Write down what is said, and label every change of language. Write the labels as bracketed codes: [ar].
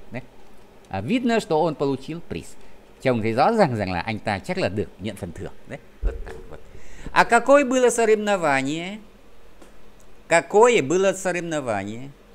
[vi] Đấy. À, [ru] видно, что он получил приз. [vi] Chồng thấy rõ ràng rằng là anh ta chắc là được nhận phần thưởng. Đấy. À, [ru] какое было соревнование? Какое было соревнование?